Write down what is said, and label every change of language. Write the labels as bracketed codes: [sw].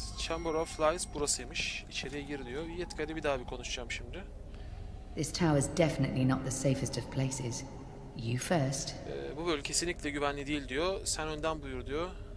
[tr] Chamber of Lies burasıymış. İçeriye gir diyor. Yetkili bir daha bir konuşacağım şimdi. [en] This tower is definitely not the safest of places. You first. [tr] Bu bölge kesinlikle güvenli değil diyor. Sen önden buyur diyor.